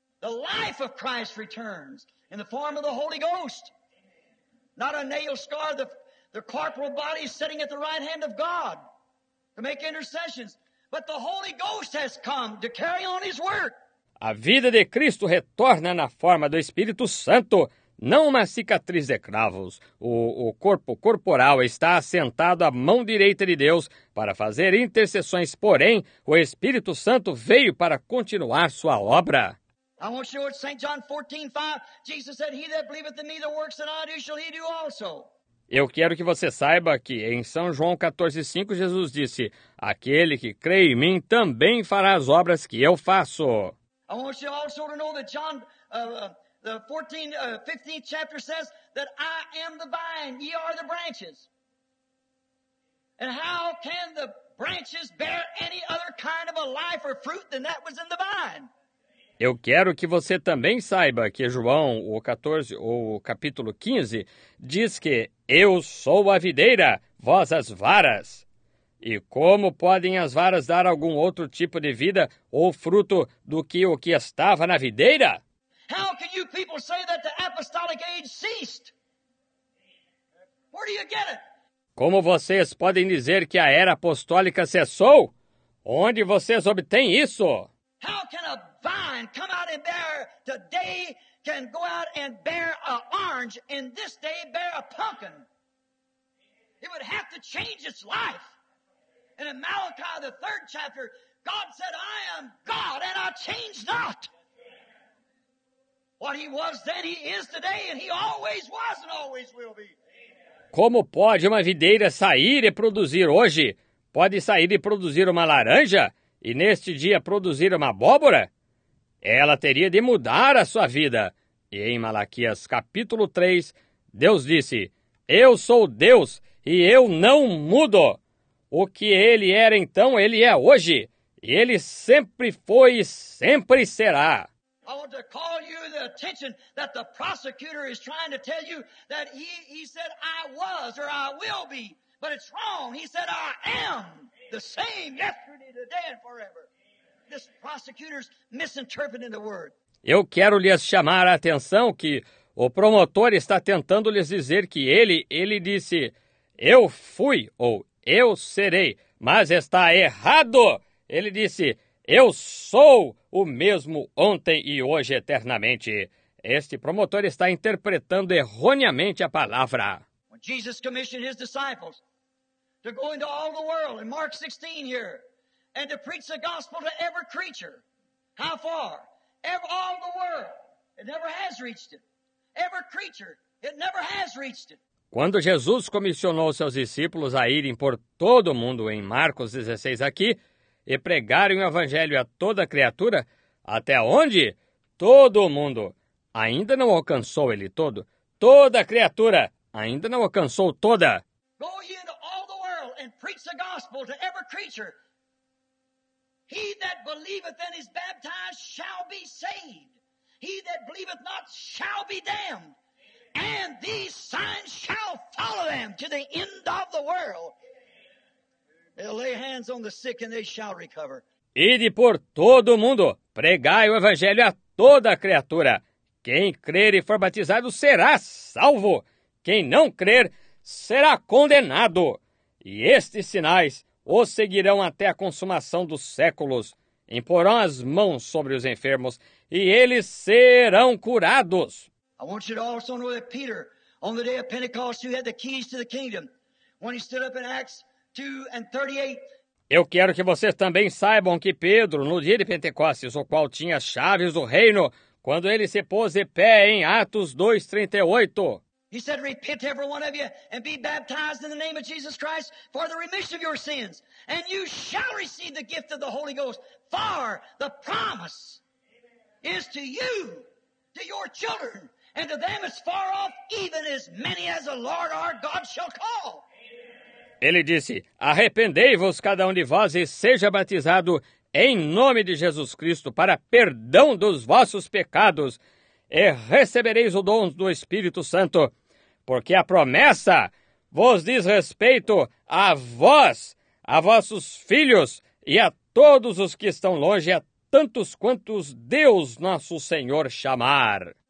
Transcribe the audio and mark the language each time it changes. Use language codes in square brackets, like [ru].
[en] The life of Christ returns in the form of the Holy Ghost. Not a nail scar, the corporal body sitting at the right hand of God to make intercessions. But the Holy Ghost has come to carry on his work. [pt] A vida de Cristo retorna na forma do Espírito Santo. Não uma cicatriz de cravos. O corpo corporal está assentado à mão direita de Deus para fazer intercessões. Porém, o Espírito Santo veio para continuar sua obra. [en] I want to show it St. John 14:5. Jesus said, he that believeth in me, the works that I do, shall he do also. [pt] Eu quero que você saiba que em São João 14:5, Jesus disse, aquele que crê em mim também fará as obras que eu faço. [en] I want you also to know that John... The 15th chapter says that I am the vine, ye are the branches. And how can the branches bear any other kind of a life or fruit than that was in the vine? [pt] Eu quero que você também saiba que João, o 14, ou o capítulo 15, diz que eu sou a videira, vós as varas. E como podem as varas dar algum outro tipo de vida ou fruto do que o que estava na videira? [en] How can you people say that the apostolic age ceased? Where do you get it? [pt] Como vocês podem dizer que a era apostólica cessou? Onde vocês obtêm isso? [en] How can a vine come out and bear today, can go out and bear an orange, and this day bear a pumpkin? It would have to change its life. And in Malachi, the third chapter, God said, I am God, and I change not. What he was then, he is today, and he always was and always will be. [pt] Como pode uma videira sair e produzir hoje? Pode sair e produzir uma laranja? E neste dia produzir uma abóbora? Ela teria de mudar a sua vida. E em Malaquias capítulo 3, Deus disse, Eu sou Deus e eu não mudo. O que ele era então, ele é hoje. E ele sempre foi e sempre será. [en] I want to call you the attention that the prosecutor is trying to tell you that he said I was or I will be, but it's wrong. He said I am the same yesterday, today and forever. This prosecutor's misinterpreting the word. [pt] Eu quero lhes chamar a atenção que o promotor está tentando lhes dizer que ele disse eu fui ou eu serei, mas está errado. Ele disse Eu sou o mesmo ontem e hoje eternamente. Este promotor está interpretando erroneamente a palavra. [en] When Jesus commissioned his disciples to go into all the world in Mark 16 here and to preach the gospel to every creature. How far? All the world. It never has reached it. Every creature. It never has reached it. [pt] Quando Jesus comissionou seus discípulos a irem por todo o mundo em Marcos 16 aqui, e pregarem o evangelho a toda criatura, até onde? Todo mundo. Ainda não alcançou ele todo. Toda criatura. Ainda não alcançou toda. [en] Go into all the world and preach the gospel to every creature. He that believeth and is baptized shall be saved. He that believeth not shall be damned. And these signs shall follow them to the end of the world. They'll lay hands on the sick and they shall recover. [pt] Ide por todo o mundo, pregai o evangelho a toda criatura. Quem crer e for batizado será salvo. Quem não crer será condenado. E estes sinais os seguirão até a consumação dos séculos. Imporão as mãos sobre os enfermos e eles serão curados. [en] I want you to also know that Peter, on the day of Pentecost, who had the keys to the kingdom, when he stood up in Acts, 2:38. [pt] Eu quero que vocês também saibam que Pedro, no dia de Pentecostes, o qual tinha as chaves do reino, quando ele se pôs de pé em Atos 2:38. [en] He said, repent every one of you and be baptized in the name of Jesus Christ for the remission of your sins. And you shall receive the gift of the Holy Ghost. For the promise is to you, to your children, and to them as far off, even as many as the Lord our God shall call. [pt] Ele disse, arrependei-vos cada um de vós e seja batizado em nome de Jesus Cristo para perdão dos vossos pecados e recebereis o dom do Espírito Santo, porque a promessa vos diz respeito a vós, a vossos filhos e a todos os que estão longe, a tantos quantos Deus nosso Senhor chamar.